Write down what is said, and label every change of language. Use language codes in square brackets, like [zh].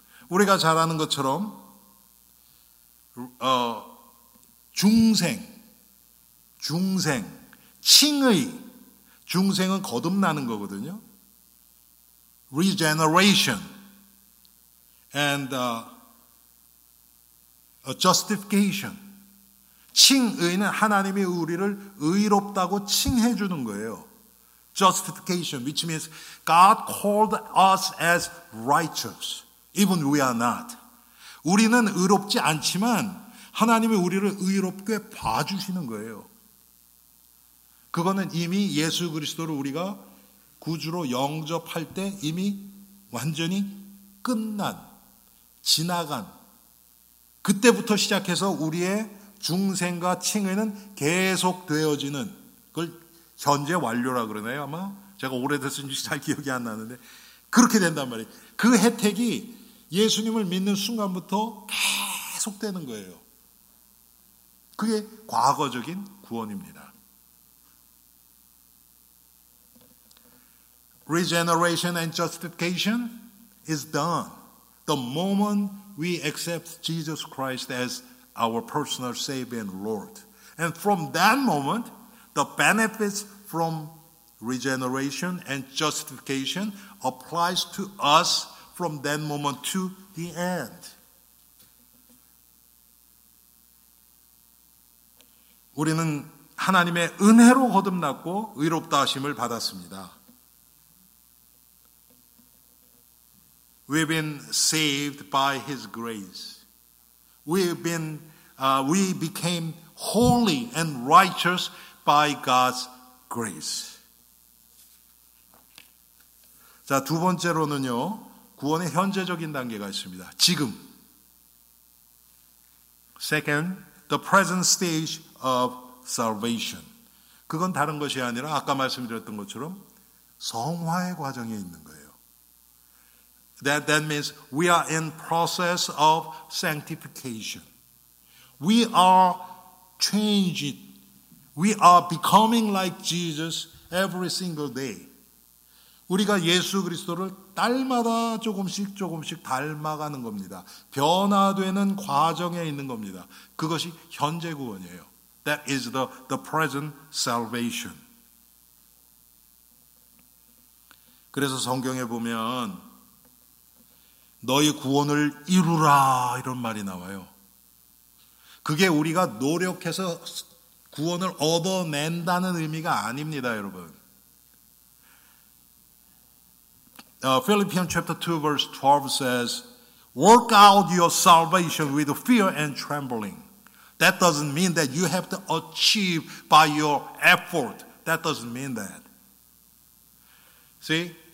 [ko] 우리가 잘 아는 것처럼 중생, 칭의, 중생은 거듭나는 거거든요. [en] Regeneration. And a justification. [ko] 칭의는 하나님이 우리를 의롭다고 칭해 주는 거예요. [en] Justification, which means God called us as righteous, even we are not. [ko] 우리는 의롭지 않지만 하나님이 우리를 의롭게 봐주시는 거예요. 그거는 이미 예수 그리스도를 우리가 구주로 영접할 때 이미 완전히 끝난 지나간 그때부터 시작해서 우리의 중생과 칭의는 계속되어지는, 그걸 현재 완료라 그러네요 아마. 제가 오래됐는지 잘 기억이 안 나는데 그렇게 된단 말이에요. 그 혜택이 예수님을 믿는 순간부터 계속되는 거예요. 그게 과거적인 구원입니다. [en] Regeneration and justification is done the moment we accept Jesus Christ as our personal Savior and Lord. And from that moment, the benefits from regeneration and justification applies to us from that moment to the end. [ko] 우리는 하나님의 은혜로 거듭났고 의롭다 하심을 받았습니다. [en] We've been saved by His grace. We became holy and righteous by God's grace. [ko] 자, 두 번째로는요, 구원의 현재적인 단계가 있습니다. 지금. [en] Second, the present stage of salvation. [ko] 그건 다른 것이 아니라 아까 말씀드렸던 것처럼 성화의 과정에 있는 거예요. [en] That means we are in process of sanctification. We are changed. We are becoming like Jesus every single day. [ko] 우리가 예수 그리스도를 딸마다 조금씩 조금씩 닮아가는 겁니다. 변화되는 과정에 있는 겁니다. 그것이 현재 구원이에요. [en] That is the present salvation. [ko] 그래서 성경에 보면 너희 구원을 이루라 이런 말이 나와요. 그게 우리가 노력해서 구원을 얻어낸다는 의미가 아닙니다, 여러분. [en] Philippians chapter 2 verse 12 says, Work out your salvation with fear and trembling. That doesn't mean that you have to achieve by your effort. That doesn't mean that. See?